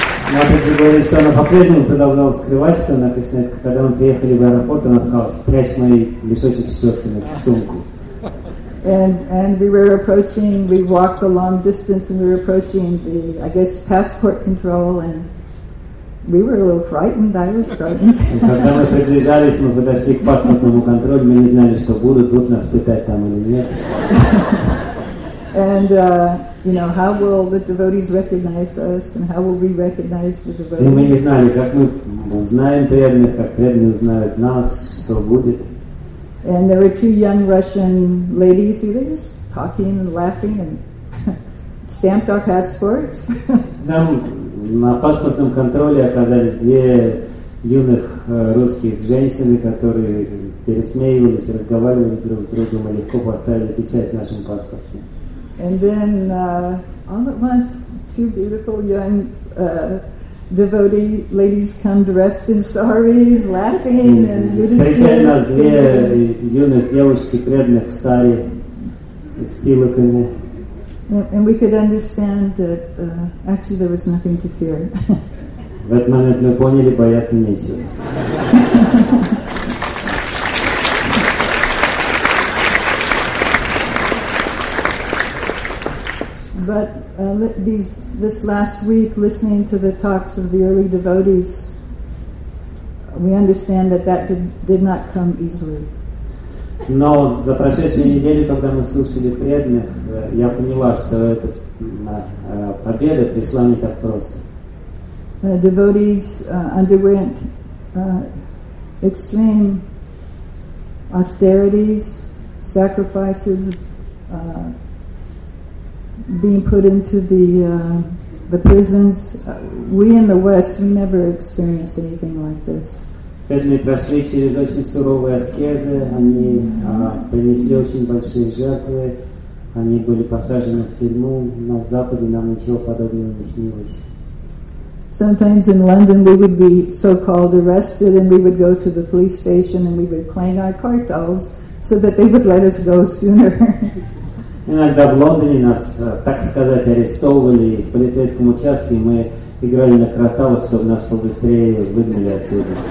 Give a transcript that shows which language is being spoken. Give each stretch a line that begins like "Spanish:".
Russian: На протяжении всего она по-прежнему продолжала скрывать, что она, когда мы приехали в аэропорт, она сказала: "Спрячь мой листочек с четкими в сумку."
English: And we were approaching, we walked a long distance and we were approaching the, I guess, passport control, and we were a little frightened, I was frightened. And
Russian: когда мы приближались, мы подошли к паспортному контролю, мы не знали, что будут нас пытать там или нет.
English: And, you know, how will the devotees recognize us and how will we recognize the devotees?
Russian: И мы не знали, как мы узнаем преданных, как преданные узнают нас, что будет.
English: And there were two young Russian ladies who were just talking and laughing and stamped our passports.
Russian: Нам на паспортном контроле оказались две юных русских женщины, которые пересмеивались, разговаривали друг с другом и легко поставили печать в нашем паспорте.
English: And then all at once, two beautiful young devotee ladies come dressed in saris, laughing and
Russian: встречают нас две юных девушки преданных в сари с тилоками.
English: And we could understand that actually there was nothing to fear.
Russian: В этот момент мы поняли, бояться нечего.
English: But this last week, listening to the talks of the early devotees, we understand that did not come easily.
Russian: Но за прошедшую неделю, когда мы слушали преданных, я поняла, что эта победа пришла не так просто.
English: The devotees underwent extreme austerities, sacrifices, being put into the prisons. We in the West, we never experienced anything like this.
Russian: Преданные прошли через очень суровые аскезы, они принесли очень большие жертвы, они были посажены в тюрьму. На Западе нам ничего подобного не снилось.
English: Sometimes in London we would be so-called arrested and we would go to the police station and we would clang our car bells so that they would let us go sooner.
Russian: Иногда в Лондоне нас, так сказать, арестовывали в полицейском участке, и мы играли на кроталах, чтобы нас побыстрее выгнали оттуда.